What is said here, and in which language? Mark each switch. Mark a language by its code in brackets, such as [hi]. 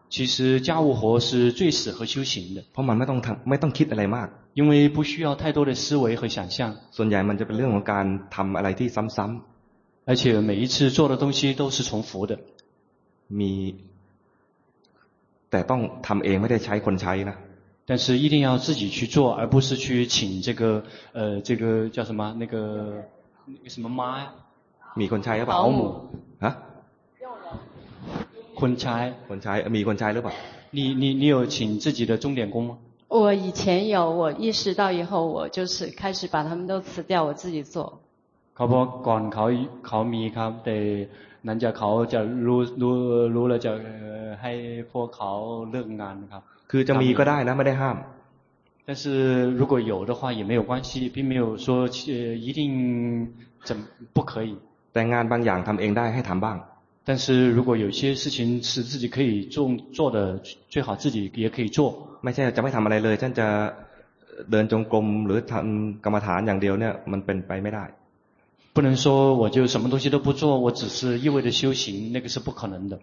[zh] 其实家务活是最适合修行的 [th] เพราะมันไม่ต้องคิดอะไรมาก [zh] 因为不需要太多的思维和想象 [th] ส่วนใหญ่มันจะเป็นเรื่องของการทำอะไรที่ซ้ำๆ [zh] 而且每一次做的东西都是重复的 [th] มีแต่ต้องทำเองไม่ได้ใช้คนใช้นะ [zh] 但是一定要自己去做而不是去请这个叫什么那个什么妈呀 [th] มีคนใช้หรือเปล่า [zh] 保姆啊 [th] คนใช้ มีคนใช้หรือเปล่า [zh] 你有请自己的钟点工吗我以前有我意识到以后我就是开始把他们都辞掉我自己做 [th] เขาบอกก่อนเขามีครับแต่นั้นจะเขาจะรู้แล้วจะให้พวกเขาเลิกงานครับ คือจะมีก็ได้นะไม่ได้ห้าม [zh] 但是如果有的话也没有关系并没有说一定怎不可以 [th] แต่งานบางอย่างทำเองได้ให้ทำบ้าง [zh] 但是如果有些事情是自己可以做的最好自己也可以做 [th] ไม่ใช่จะไม่ทำอะไรเลยฉันจะเดินจงกรมหรือทำกรรมฐานอย่างเดียวเนี่ยมันเป็นไปไม่ได้ [zh] 不能说我就什么东西都不做我只是一味的修行那个是不可能的